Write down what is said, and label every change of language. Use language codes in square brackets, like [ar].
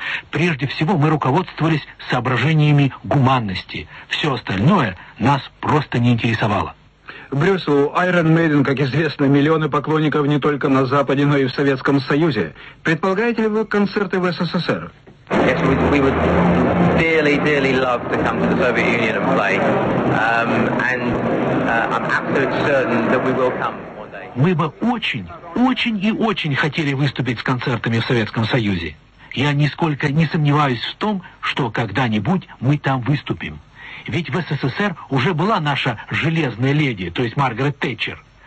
[ru] Прежде всего, мы руководствовались соображениями гуманности. Все остальное нас просто не интересовало. Брюс, у Iron Maiden, как известно, миллионы поклонников не только на Западе, но и в Советском Союзе. Предполагаете ли вы концерты в СССР? [en] Yes, we would dearly, dearly love to come to the Soviet Union and play. I'm absolutely certain that we will come. [ru] Мы бы очень, очень и очень хотели выступить с концертами в Советском Союзе. Я нисколько не сомневаюсь в том, что когда-нибудь мы там выступим. Ведь в СССР уже была наша «Железная леди», то есть Маргарет Тэтчер.